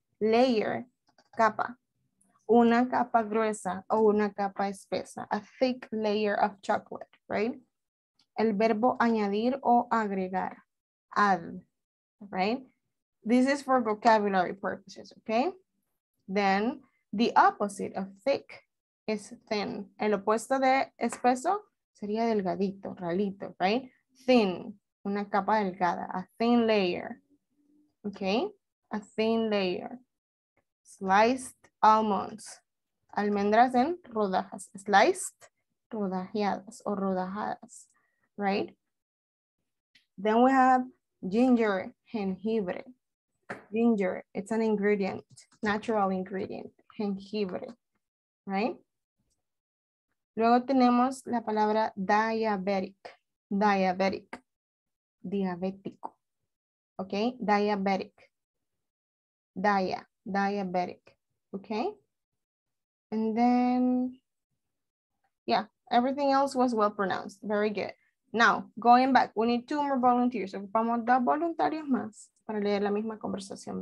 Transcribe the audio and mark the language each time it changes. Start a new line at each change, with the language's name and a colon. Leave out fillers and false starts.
Spanish: Layer, capa. Una capa gruesa o una capa espesa.
English: A thick layer of chocolate, right?
Spanish: El verbo añadir o agregar.
English: Add, right? This is for vocabulary purposes, okay? Then, the opposite of thick is thin.
Spanish: El opuesto de espeso sería delgadito, ralito, right?
English: Thin,
Spanish: una capa delgada,
English: a thin layer. Okay, a thin layer.
Spanish: Sliced almonds, almendras en rodajas, sliced, rodajeadas o rodajadas, right?
English: Then we have ginger, jengibre. Ginger, it's an ingredient, natural ingredient, jengibre, right?
Spanish: Luego tenemos la palabra diabetic, diabetic, diabético, okay?
English: Diabetic, dia, diabetic, okay? And then, yeah, everything else was well pronounced, very good. Now, going back, we need two more volunteers.
Spanish: Ocupamos dos voluntarios más para leer la misma conversación.